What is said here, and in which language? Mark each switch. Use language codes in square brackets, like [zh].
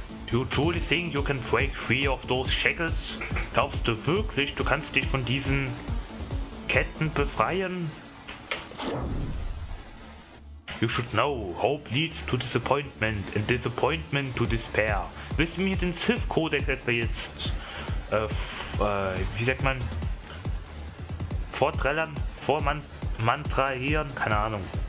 [en] You truly think you can break free of those shackles? [de] Glaubst du wirklich, du kannst dich von diesen Ketten befreien? [en] You should know, hope leads to disappointment and disappointment to despair. [de] Willst du mir den Sith-Codex etwa jetzt, vortrellern, vormantrahieren, keine Ahnung.